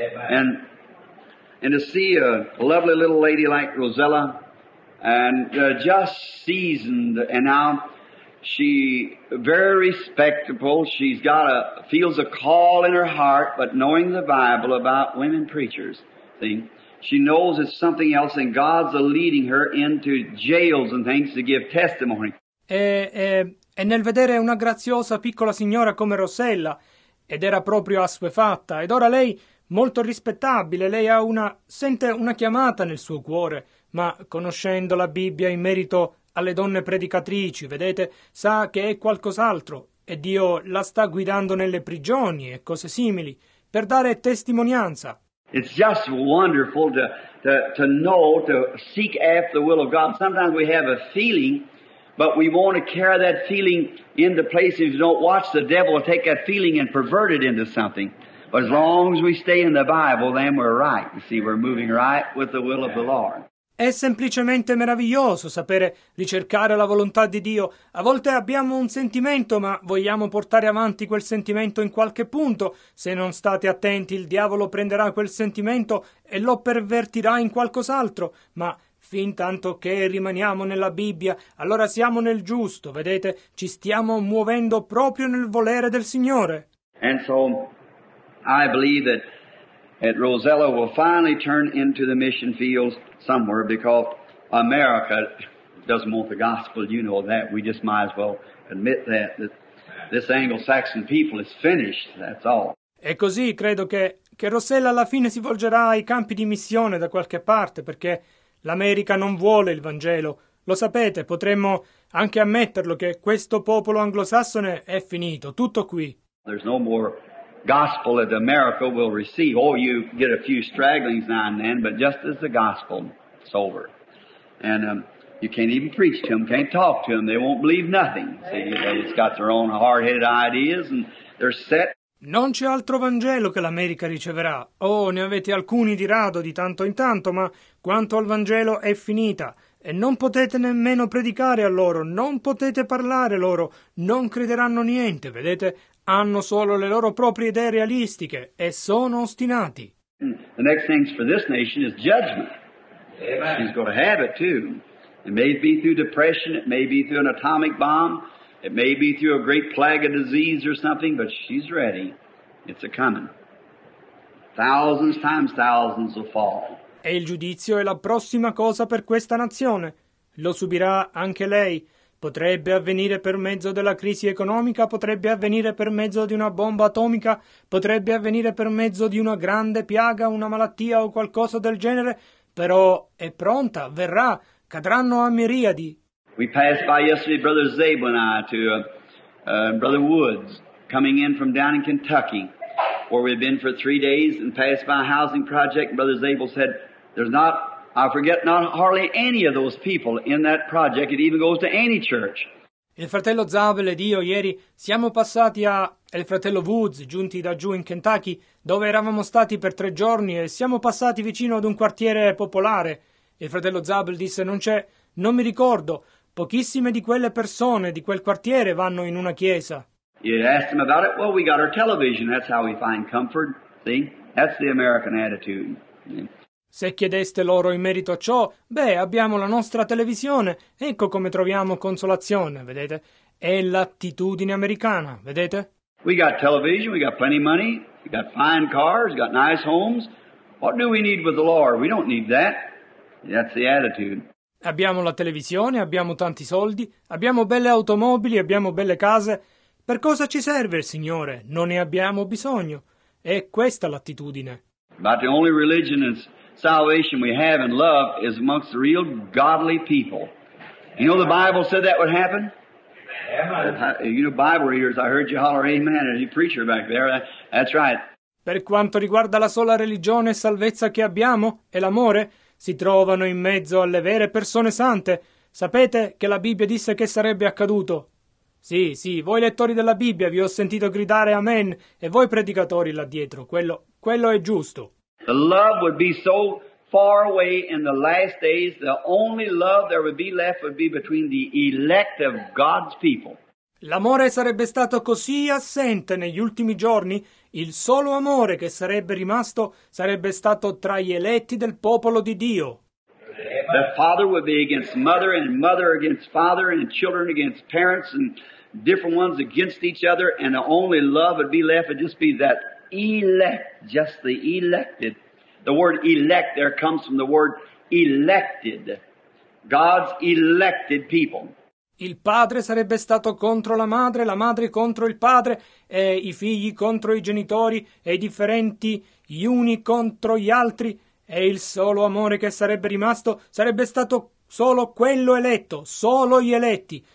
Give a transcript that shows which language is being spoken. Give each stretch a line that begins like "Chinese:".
English: And to see a lovely little lady like Rosella and just seasoned, and now she very respectable, she's got a feels a call in her heart, but knowing the Bible about women preachers thing, she knows it's something else, and God's leading her into jails and things to give testimony.
Italian: E nel vedere una graziosa piccola signora come Rossella, ed era proprio assuefatta, ed ora lei molto rispettabile, lei ha una sente una chiamata nel suo cuore, ma conoscendo la Bibbia in merito alle donne predicatrici, vedete, sa che è qualcos'altro e Dio la sta guidando nelle prigioni e cose simili per dare testimonianza.
English: It's just wonderful to know, to seek after the will of God. Sometimes we have a feeling, but we want to carry that feeling into place. If you don't watch, the devil will take that feeling and pervert it into something. But as long as we stay in the Bible, then we're right. You see, we're moving right with the will of the Lord.
Italian: È semplicemente meraviglioso sapere ricercare la volontà di Dio. A volte abbiamo un sentimento, ma vogliamo portare avanti quel sentimento in qualche punto. Se non state attenti, il diavolo prenderà quel sentimento e lo pervertirà in qualcos'altro. Ma fin tanto che rimaniamo nella Bibbia, allora siamo nel giusto, vedete? Ci stiamo muovendo proprio nel volere del Signore.
English: And so, I believe that at Rosella will finally turn into the mission fields somewhere, because America doesn't want the gospel, you know that. We just might as well admit that, that this Anglo-Saxon people is finished, that's all.
Italian: E così credo che Rossella alla fine si volgerà ai campi di missione da qualche parte, perché l'America non vuole il Vangelo. Lo sapete, potremmo anche ammetterlo che questo popolo anglosassone è finito, tutto qui.
English: There's no more gospel that America will receive. Oh, you get a few stragglings now and then, but just as the gospel, it's over. And you can't even preach to them, can't talk to them, they won't believe nothing. See, they just got their own hard-headed ideas and they're set.
Italian: Non c'è altro Vangelo che l'America riceverà. Oh, ne avete alcuni di rado di tanto in tanto, ma quanto al Vangelo è finita. E non potete nemmeno predicare a loro, non potete parlare loro, non crederanno niente, vedete? Hanno solo le loro proprie idee realistiche e sono ostinati.
English: The next thing for this nation is judgment. Amen. He's going to have it too. It may be through depression, it may be through an atomic bomb, it may be through a great plague of disease or something, but she's ready. It's a coming. Thousands times thousands will fall.
Italian: E il giudizio è la prossima cosa per questa nazione. Lo subirà anche lei. Potrebbe avvenire per mezzo della crisi economica, potrebbe avvenire per mezzo di una bomba atomica, potrebbe avvenire per mezzo di una grande piaga, una malattia o qualcosa del genere, però è pronta, verrà, cadranno a miriadi.
English: We passed by yesterday, Brother Zabel and I, to Brother Woods, coming in from down in Kentucky, where we've been for 3 days, and passed by a housing project. Brother Zabel said, there's not, I forget, not hardly any of those people in that project. It even goes to any church.
Italian: Il fratello Zabel ed io ieri siamo passati a... E il fratello Woods, giunti da giù in Kentucky, dove eravamo stati per 3 giorni, e siamo passati vicino ad un quartiere popolare. Il fratello Zabel disse, non c'è... Non mi ricordo... Pochissime di quelle persone di quel quartiere vanno in una chiesa.
English: You asked them about it? Well, we got our television. That's how we find comfort. See? That's the American attitude.
Italian: Se chiedeste loro in merito a ciò, beh, abbiamo la nostra televisione. Ecco come troviamo consolazione, vedete? È l'attitudine americana, vedete?
English: We got television, we got plenty of money, we got fine cars, we got nice homes. What do we need with the Lord? We don't need that. That's the attitude.
Italian: Abbiamo la televisione, abbiamo tanti soldi, abbiamo belle automobili, abbiamo belle case. Per cosa ci serve il Signore? Non ne abbiamo bisogno. È questa l'attitudine.
English: But the only religion and salvation we have in love is amongst the real godly people. You know the Bible said that would happen? Amen. You know Bible readers, I heard you holler amen at the preacher back there. That's right.
Italian: Per quanto riguarda la sola religione e salvezza che abbiamo, è l'amore, si trovano in mezzo alle vere persone sante. Sapete che la Bibbia disse che sarebbe accaduto? Sì, sì, voi lettori della Bibbia vi ho sentito gridare amen, e voi predicatori là dietro, quello è giusto.
English: The love would be so far away in the last days, the only love there would be left would be between the elect of God's people.
Italian: L'amore sarebbe stato così assente negli ultimi giorni, il solo amore che sarebbe rimasto sarebbe stato tra gli eletti del popolo di Dio.
English: The father would be against mother, and mother against father, and children against parents, and different ones against each other, and the only love would be left would just be that elect, just the elected. The word elect there comes from the word elected, God's elected people.
Italian: Il padre sarebbe stato contro la madre contro il padre, e i figli contro i genitori, e i differenti, gli uni contro gli altri, e il solo amore che sarebbe rimasto sarebbe stato solo quello eletto, solo gli eletti.